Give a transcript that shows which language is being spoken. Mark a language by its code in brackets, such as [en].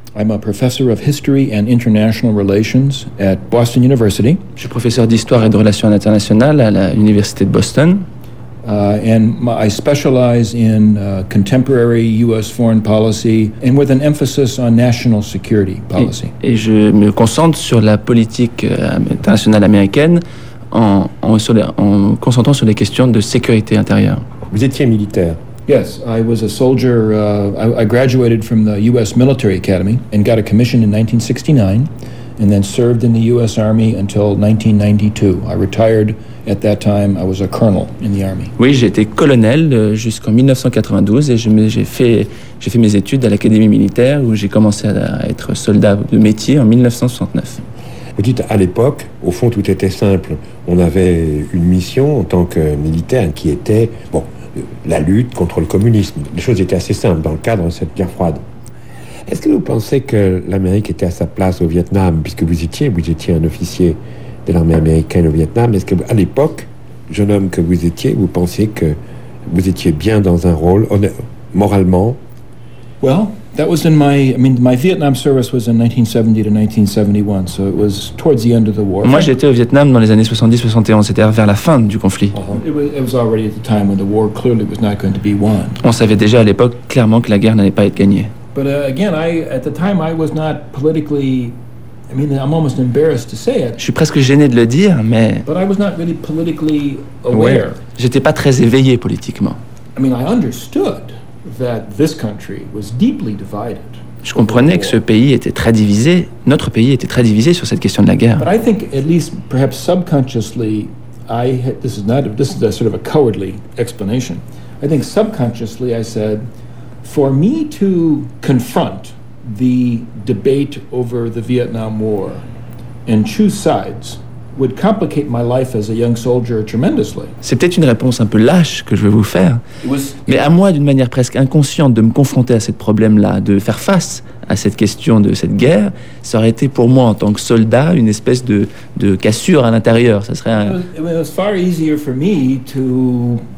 [en] I'm a professor of history and international relations at Boston University. [fr] Je suis professeur d'histoire et de relations internationales à l'Université de Boston. [en] I specialize in contemporary U.S. foreign policy and with an emphasis on national security policy. [fr] Et je me concentre sur la politique internationale américaine en concentrant sur les questions de sécurité intérieure. Vous étiez militaire. [en] Yes, I was a soldier. I graduated from the U.S. Military Academy and got a commission in 1969, and then served in the U.S. Army until 1992. I retired at that time. I was a colonel in the Army. [fr] Oui, j'étais colonel jusqu'en 1992, et j'ai fait mes études à l'Académie militaire où j'ai commencé à être soldat de métier en 1969. Vous dites, à l'époque, au fond, tout était simple. On avait une mission en tant que militaire qui était, bon, la lutte contre le communisme. Les choses étaient assez simples dans le cadre de cette guerre froide. Est-ce que vous pensez que l'Amérique était à sa place au Vietnam, puisque vous étiez un officier de l'armée américaine au Vietnam? Est-ce que, à l'époque, jeune homme que vous étiez, vous pensiez que vous étiez bien dans un rôle, moralement? [en] Well. That was in my Vietnam service was in 1970 to 1971, so it was towards the end of the war. [fr] Moi, j'étais au Vietnam dans les années 70-71, c'était vers la fin du conflit. [en] It was already at the time when the war clearly was not going to be won. [fr] On savait déjà à l'époque clairement que la guerre n'allait pas être gagnée. [en] But again, at the time I was not politically, I mean, I'm almost embarrassed to say it. [fr] Je suis presque gêné de le dire, mais. [en] But I was not really politically aware. [fr] J'étais pas très éveillé politiquement. [en] I mean, I understood. That this country was deeply divided. [fr] Je comprenais que ce pays était très divisé. Notre pays était très divisé sur cette question de la guerre. [en] But I think, at least, perhaps subconsciously, this is a sort of a cowardly explanation. I think subconsciously, I said, for me to confront the debate over the Vietnam War and choose sides would complicate my life as a young soldier tremendously. [fr] C'est peut-être une réponse un peu lâche que je vais vous faire, mais à moi, d'une manière presque inconsciente, de me confronter à ce problème-là, de faire face à cette question de cette guerre, ça aurait été pour moi, en tant que soldat, une espèce de cassure à l'intérieur. Ça serait [en] it was far easier for me to...